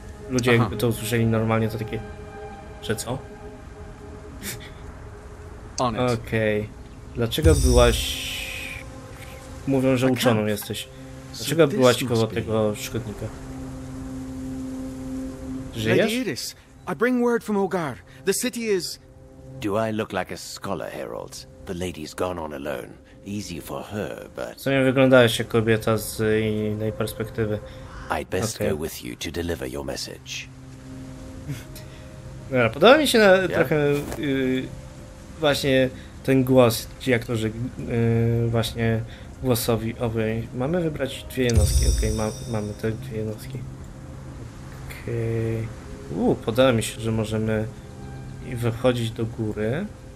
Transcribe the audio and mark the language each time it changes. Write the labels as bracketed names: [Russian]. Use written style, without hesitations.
[Polish] Ludzie jakby to usłyszeli normalnie, to takie... Że co? Okej. Dlaczego byłaś... Mówią, że uczoną jesteś. Dlaczego byłaś koło tego szkodnika? Żyjesz? [English] Lady Iris, I bring word from Ogar. The city is... Do I look like a scholar, Herald? The lady's gone on alone. Easy for her, but... [Polish] W sumie wyglądałeś jak kobieta z innej perspektywy. [English] I'd best go with you to deliver your message. [Polish] Dobra, podoba mi się trochę... właśnie ten głos, ci aktorzy właśnie... Głosowi, okej. Mamy wybrać dwie jednostki, okej, mamy te dwie jednostki. Okej. Podoba mi się, że możemy wychodzić do góry.